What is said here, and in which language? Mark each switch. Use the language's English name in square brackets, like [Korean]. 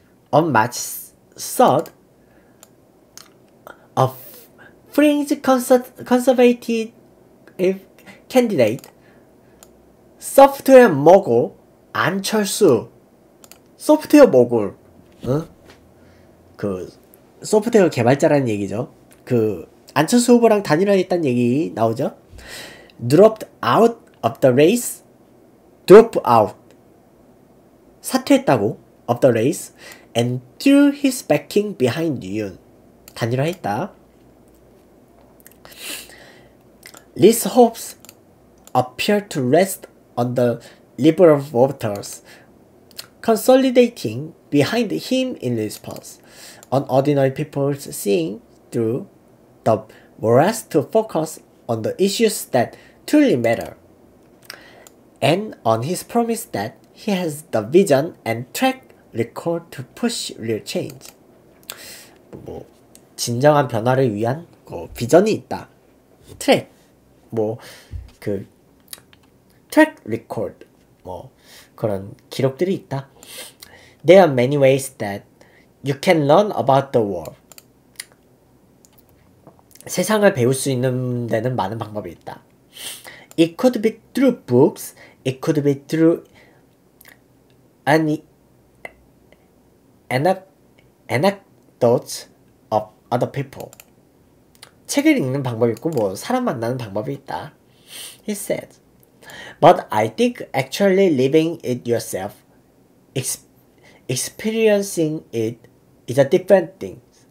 [English] On March 3rd, a fringe conservative candidate, software mogul 안철수, [Korean] 소프트웨어 모굴, 응? 그 소프트웨어 개발자라는 얘기죠. 그 안철수 후보랑 단일화했다는 얘기 나오죠. [English] Dropped out of the race, drop out, [Korean] 사퇴했다고 [English] of the race, and threw his backing behind Yoon, [Korean] 단일화했다. [English] These hopes appear to rest on the liberal voters, consolidating behind him in this polls. Unordinary people seeing through the morass to focus on the issues that truly matter, and on his promise that he has the vision and track record to push real change. [Korean] 뭐 진정한 변화를 위한 뭐 비전이 있다. 트랙. 뭐그 트랙 리코드 뭐 그런 기록들이 있다. [English] There are many ways that you can learn about the world. [Korean] 세상을 배울 수 있는 데는 많은 방법이 있다. [English] It could be through books, it could be through anecdotes of other people. [Korean] 책을 읽는 방법이 있고 뭐 사람 만나는 방법이 있다. [English] He said, "But I think actually living it yourself, experiencing it, is a different thing."